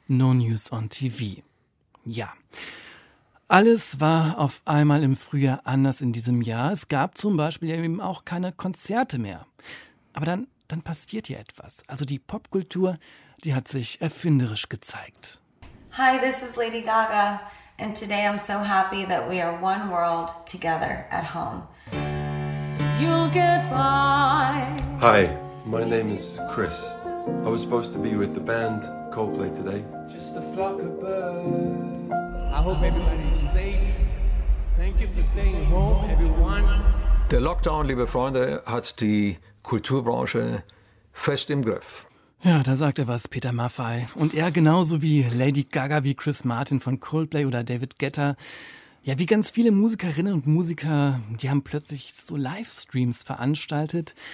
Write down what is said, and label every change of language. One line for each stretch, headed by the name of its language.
English: No News on TV.
German: Ja. Alles war auf einmal im Frühjahr anders in diesem Jahr. Es gab zum Beispiel eben auch keine Konzerte mehr. Aber dann passiert hier etwas. Also die Popkultur, die hat sich erfinderisch gezeigt.
English: Hi, this is Lady Gaga. And today I'm so happy that we are one world together at home. You'll get by. Hi, my name is Chris. I was supposed to be with the band Coldplay today. Just a flock of birds. I hope everybody is safe. Thank you for staying home, everyone.
German: Der Lockdown, liebe Freunde, hat die Kulturbranche fest im Griff. Ja, da sagt er was, Peter Maffay. Und er genauso wie Lady Gaga, wie Chris Martin von Coldplay oder David Guetta. Ja, wie ganz viele Musikerinnen und Musiker, die haben plötzlich so Livestreams veranstaltet.